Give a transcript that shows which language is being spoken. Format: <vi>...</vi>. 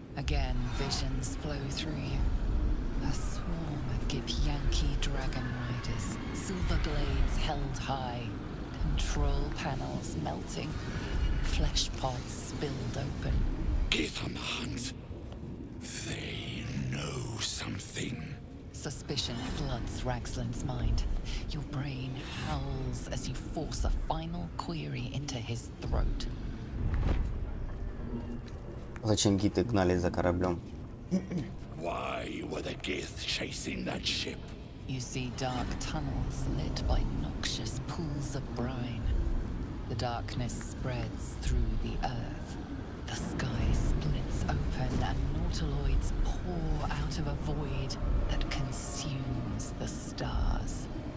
<en>Again, visions flow through you. A swarm of Gipyanki dragon riders, silver blades held high, control panels melting, flesh pods spilled open. Give them a hunt. They know something. Suspicion floods Raxlin's mind. Your brain howls as you force a final query into his throat.</en> <ru>Зачем гиты гнались за кораблем?</ru> <en>Why were the Geth chasing that ship? You see dark tunnels lit by noxious pools of brine. The darkness spreads through the earth. The sky splits open and nautiloids pour out of a void that consumes the stars.</en>